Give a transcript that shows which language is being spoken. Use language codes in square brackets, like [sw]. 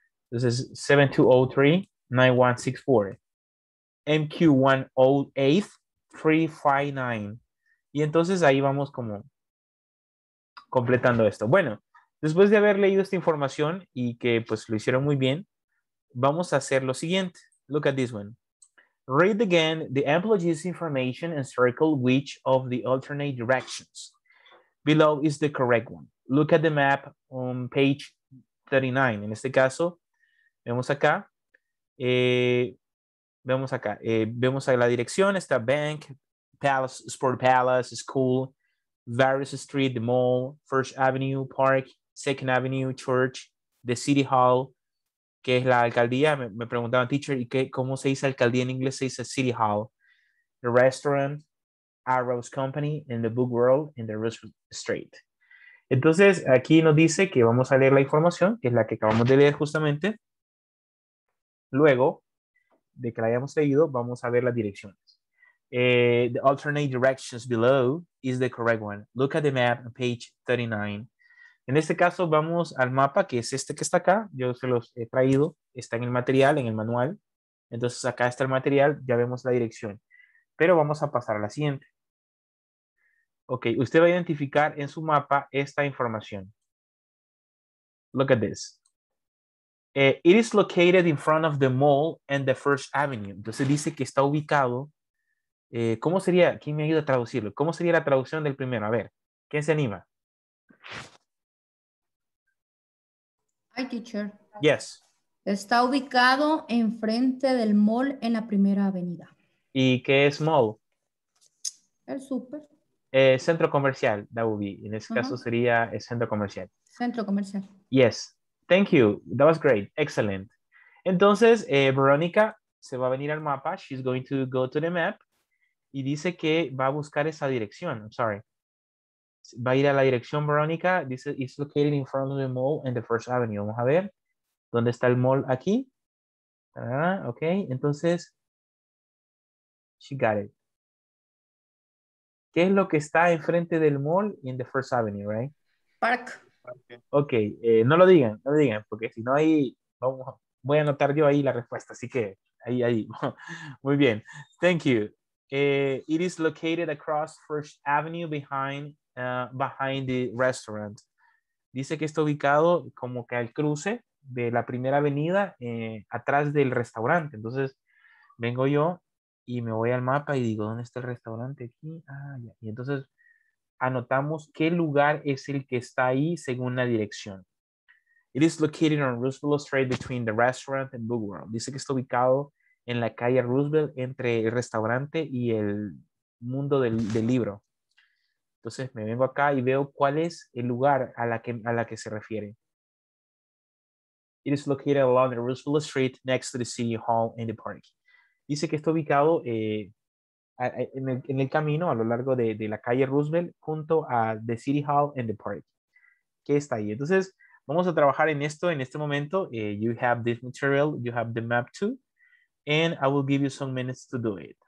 [es] Entonces, 7203-9164. MQ108359. Y entonces ahí vamos como completando esto. Bueno, después de haber leído esta información y que pues lo hicieron muy bien, vamos a hacer lo siguiente. [en] Look at this one. Read again the employee's information and circle which of the alternate directions. Below is the correct one. Look at the map on page 39. [es] En este caso, vemos acá la dirección, está [en] bank, palace, sport palace, school, various street, the mall, First Avenue, park, Second Avenue, church, the city hall, [es] que es la alcaldía. Me preguntaban, teacher, ¿y cómo se dice alcaldía en inglés? Se dice [en] city hall, the restaurant, Arrows Company, and the book world, and the Rose Street. [es] Entonces, aquí nos dice que vamos a leer la información, que es la que acabamos de leer justamente. Luego de que la hayamos leído, vamos a ver las direcciones. [en] The alternate directions below is the correct one. Look at the map on page 39. [es] En este caso, vamos al mapa, que es este que está acá. Yo se los he traído. Está en el material, en el manual. Entonces, acá está el material. Ya vemos la dirección. Pero vamos a pasar a la siguiente. Ok, usted va a identificar en su mapa esta información. [en] Look at this. It is located in front of the mall and the First Avenue. [es] Entonces, dice que está ubicado. ¿Cómo sería? ¿Quién me ayuda a traducirlo? ¿Cómo sería la traducción del primero? A ver, ¿quién se anima? [en] Hi, teacher. Yes. [es] Está ubicado enfrente del mall en la primera avenida. ¿Y qué es mall? El súper. Centro comercial, [en] that would be. [es] En ese caso sería el centro comercial. Centro comercial. [en] Yes. Thank you. That was great. Excellent. [es] Entonces, Verónica se va a venir al mapa. [en] She's going to go to the map. [es] Y dice que va a buscar esa dirección. [en] I'm sorry. [es] Va a ir a la dirección, Verónica. [en] Dice, it's located in front of the mall and the First Avenue. [es] Vamos a ver. ¿Dónde está el mall aquí? Ok. [en] Entonces, she got it. [es] ¿Qué es lo que está enfrente del mall [en] in the First Avenue, right? Park. [es] Ok. No lo digan. No lo digan. Porque si no, ahí vamos, voy a anotar yo ahí la respuesta. Así que, ahí, ahí. Muy bien. [en] Thank you. It is located across First Avenue behind the restaurant. [es] Dice que está ubicado como que al cruce de la primera avenida atrás del restaurante. Entonces, vengo yo y me voy al mapa y digo, ¿dónde está el restaurante aquí? Ah, ya. Y entonces, anotamos qué lugar es el que está ahí según la dirección. [en] It is located on Roosevelt Street between the restaurant and Bookworm. [es] Dice que está ubicado en la calle Roosevelt, entre el restaurante y el mundo del libro. Entonces, me vengo acá y veo cuál es el lugar a la que se refiere. [en] It is located along the Roosevelt Street next to the City Hall and the Park. [es] Dice que está ubicado en el camino a lo largo de la calle Roosevelt junto a [en] the City Hall and the Park. [es] ¿Qué está ahí? Entonces, vamos a trabajar en esto en este momento. [en] You have this material, you have the map too. And I will give you some minutes to do it.